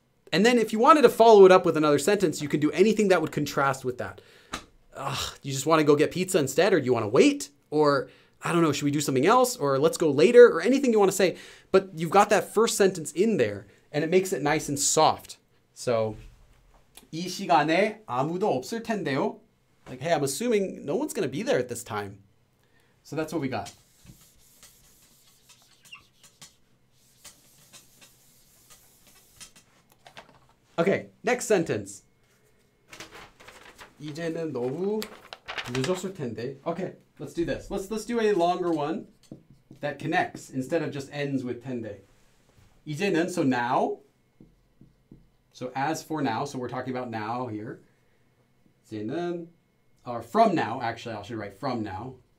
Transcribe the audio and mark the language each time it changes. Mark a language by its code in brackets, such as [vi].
[en] And then if you wanted to follow it up with another sentence, you can do anything that would contrast with that. Ugh, you just want to go get pizza instead, or do you want to wait? Or, I don't know, should we do something else? Or let's go later, or anything you want to say. But you've got that first sentence in there, and it makes it nice and soft. So, [ko] 이 시간에 아무도 없을 텐데요. [en] Like, hey, I'm assuming no one's going to be there at this time. So that's what we got. Okay, next sentence. [ko] 이제는 너무 늦었을 텐데. [en] Okay, let's do this. Let's do a longer one that connects instead of just ends with 텐데. [ko] 이제는, [en] so now. So as for now, so we're talking about now here. [ko] 이제는, [en] or from now, actually, I should write from now.